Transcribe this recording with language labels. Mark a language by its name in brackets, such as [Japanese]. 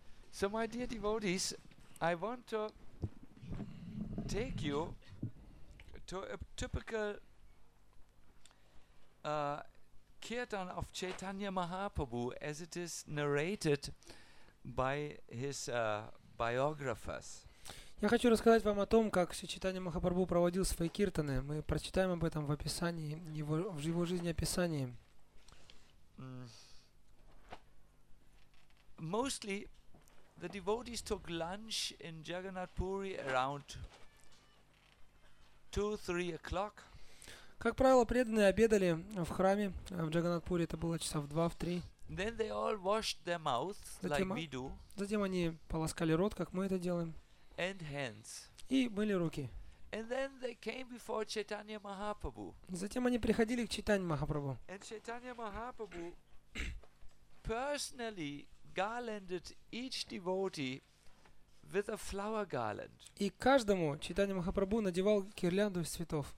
[English] So, my dear devotees, I want to take you to a typical kirtan of Chaitanya Mahaprabhu as it is narrated by his biographers. [Russian] Я хочу рассказать вам о том, как Чайтанья Махапрабху проводил свои киртаны. Мы прочитаем об этом в описании, в его жизнеописании. [English] Mostly, the devotees took lunch in Jagannath Puri around 2-3 o'clock. [Russian] Как правило, преданные обедали в храме в Джаганатпуре, это было часа в 2-3. [English] Then they all washed their mouths, like we do. [Russian] Затем они полоскали рот, как мы это делаем. [English] And hands. [Russian] И мыли руки. [English] And then they came before Chaitanya Mahaprabhu. [Russian] Затем они приходили к Чайтанье Махапрабху. [English] And Chaitanya Mahaprabhu personally garlanded each devotee with a flower garland. [Russian] И каждому Чайтанье Махапрабху надевал гирлянду из цветов.